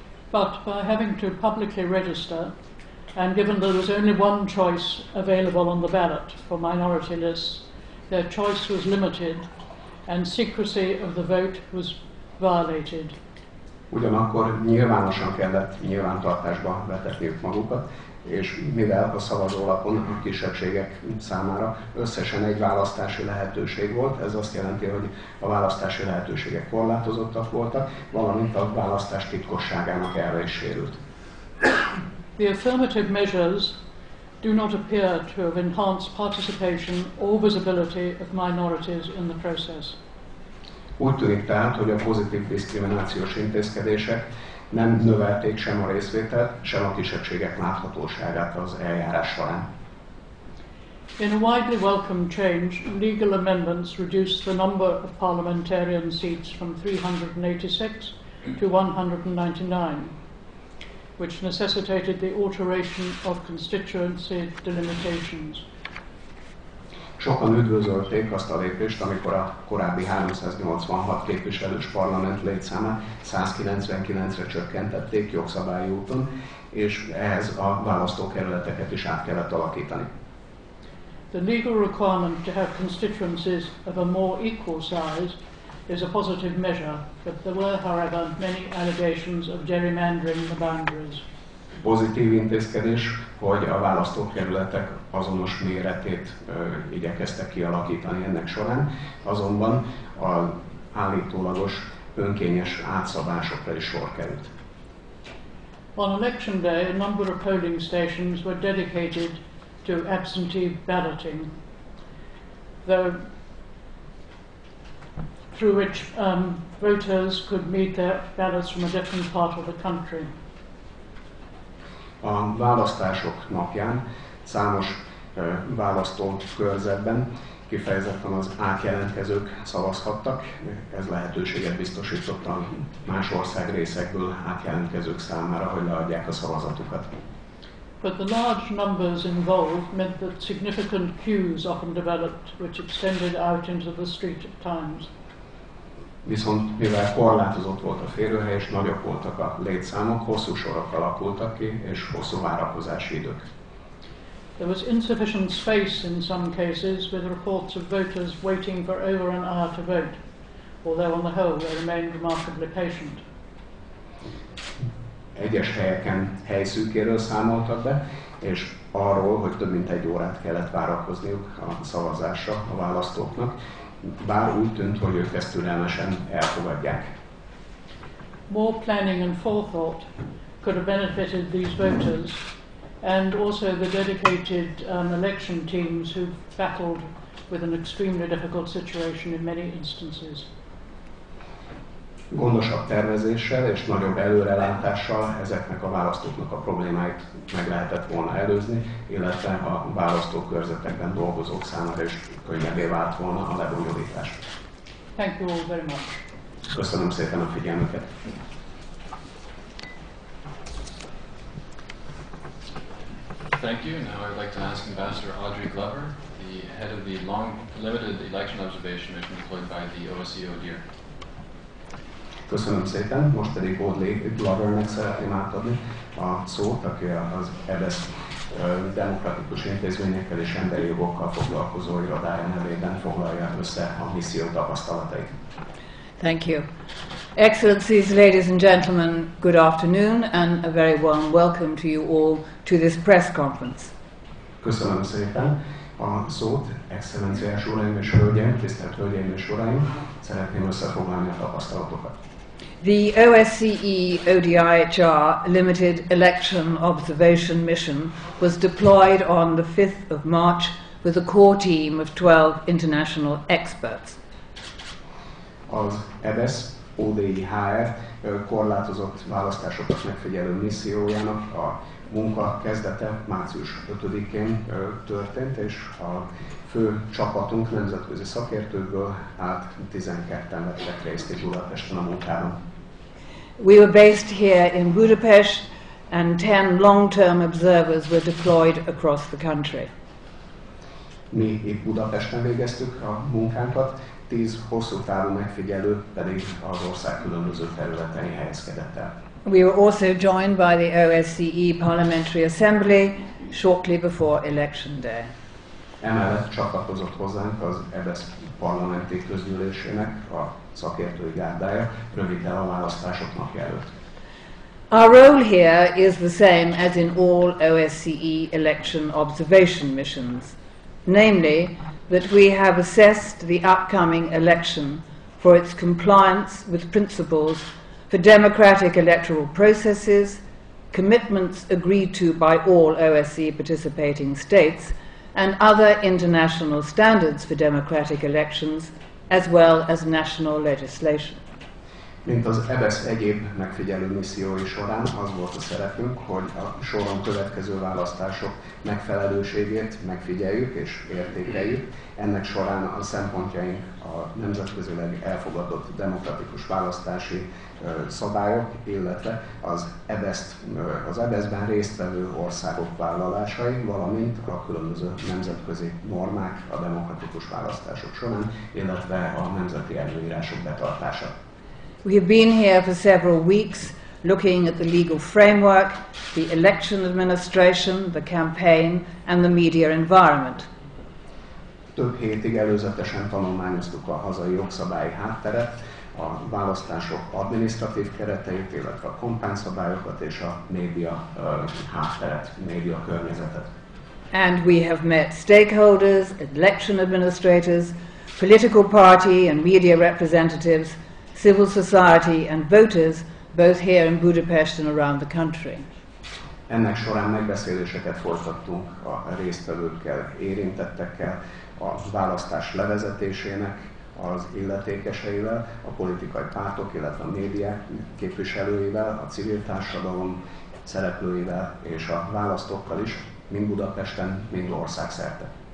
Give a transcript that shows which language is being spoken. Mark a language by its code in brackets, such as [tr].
[en] But by having to publicly register, and given there was only one choice available on the ballot for minority lists, their choice was limited, and secrecy of the vote was violated. [hu] Ugyanakkor nyilvánosan kellett nyilvántartásba vetetniük magukat, és mivel a szavazólapon a kisebbségek számára összesen egy választási lehetőség volt, ez azt jelenti, hogy a választási lehetőségek korlátozottak voltak, valamint a választás titkosságának erre is sérült. [en] The affirmative measures do not appear to have enhanced participation or visibility of minorities in the process. [hu] Úgy tűnik tehát, hogy a pozitív diszkriminációs intézkedések nem növelték sem a részvételt, sem a kisebbségek láthatóságát az eljárás során. [en] In a widely welcomed change, legal amendments reduced the number of parliamentarian seats from 386 to 199, which necessitated the alteration of constituency delimitations. [hu] Sokan üdvözölték azt a lépést, amikor a korábbi 386 képviselős parlament létszámát 199-re csökkentették jogszabályi úton, és ehhez a választókerületeket is át kellett alakítani. [en] The legal requirement to have constituencies of a more equal size is a positive measure, but there were, however, many allegations of gerrymandering the boundaries. [hu] Pozitív intézkedés, hogy a választókerületek azonos méretét igyekeztek kialakítani ennek során, azonban az állítólagos önkényes átszabásokra is sor került. [en] On election day, a number of polling stations were dedicated to absentee balloting, through which voters could meet their ballots from a different part of the country. [hu] A választások napján számos választókörzetben kifejezetten az átjelentkezők szavazhattak, ez lehetőséget biztosította más ország részekből átjelentkezők számára, hogy leadják a szavazatukat. [en] But the large numbers involved meant that significant queues often developed, which extended out into the street at times. [hu] Viszont mivel korlátozott volt a férőhely, és nagyok voltak a létszámok, hosszú sorok alakultak ki, és hosszú várakozási idők. [en] There was insufficient space in some cases, with reports of voters waiting for over an hour to vote, although on the whole they remained remarkably patient. [hu] Egyes helyeken helyszűkéről számoltak be, és arról, hogy több mint egy órát kellett várakozniuk a szavazásra a választóknak, bár úgy tűnt, hogy ők ezt türelmesen elfogadják. [en] More planning and forethought could have benefited these voters, and also the dedicated election teams who battled with an extremely difficult situation in many instances. [hu] Gondosabb tervezéssel és nagyobb előrelátással ezeknek a választóknak a problémáit meg lehetett volna előzni, illetve a választókörzetekben dolgozók számára is könnyebbé vált volna a lebonyolítás. [en] Thank you all very much. [hu] Köszönöm szépen a figyelmüket. [en] Thank you. Now I'd like to ask Ambassador Audrey Glover, the head of the long limited election observation mission employed by the OSCE ODIHR. [hu] Köszönöm szépen, most pedig Audrey Glovernek szeretném átadni a szót, aki az EBSZ demokratikus intézményekkel és emberi jogokkal foglalkozó irodája nevében foglalja össze a misszió tapasztalatait. [en] Thank you. Excellencies, ladies and gentlemen, good afternoon and a very warm welcome to you all to this press conference. [hu] Köszönöm szépen a szót, excellenciás uraim és hölgyeim, tisztelt hölgyeim és uraim, szeretném összefoglalni a tapasztalatokat. [en] The OSCE ODIHR Limited Election Observation Mission was deployed on the 5th of March with a core team of 12 international experts. [hu] Az EBSZ ODIHR korlátozott választásokat megfigyelő missziójának a munka kezdete március 5-én történt, és a fő csapatunk nemzetközi szakértőkből állt 12-en vettek részt Budapesten a munkában. [en] We were based here in Budapest, and 10 long-term observers were deployed across the country. [hu] Mi itt Budapesten végeztük a munkánkat, 10 hosszú távú megfigyelő pedig az ország különböző területein helyezkedett el. [en] We were also joined by the OSCE Parliamentary Assembly shortly before election day. [hu] Emellett csatlakozott hozzánk az EBSZ parlamenti közgyűlésének a szakértői gárdája röviddel a választások napja előtt. [en] Our role here is the same as in all OSCE election observation missions, namely that we have assessed the upcoming election for its compliance with principles for democratic electoral processes, commitments agreed to by all OSCE participating states, and other international standards for democratic elections, as well as national legislation. [hu] Mint az EBSZ egyéb megfigyelő missziói során, az volt a szerepünk, hogy a soron következő választások megfelelőségét megfigyeljük és értékeljük. Ennek során a szempontjaink a nemzetközileg elfogadott demokratikus választási szabályok, illetve az EBSZ-ben résztvevő országok vállalásai, valamint a különböző nemzetközi normák a demokratikus választások során, illetve a nemzeti előírások betartása. [en] We have been here for several weeks looking at the legal framework, the election administration, the campaign and the media environment. [hu] Több hétig előzetesen tanulmányoztuk a hazai jogszabályi hátteret, a választások adminisztratív kereteit, illetve a kampányszabályokat és a média hátteret, média környezetet. [en] And we have met stakeholders, election administrators, political party and media representatives, civil society and voters, both here in Budapest and around the country. [hu] Ennek során megbeszéléseket folytattunk a résztvevőkkel, érintettekkel, a választás levezetésének az illetékeseivel, a politikai pártok, illetve a médiák képviselőivel, a civil társadalom szereplőivel és a választókkal is, mind Budapesten, mind országszerte.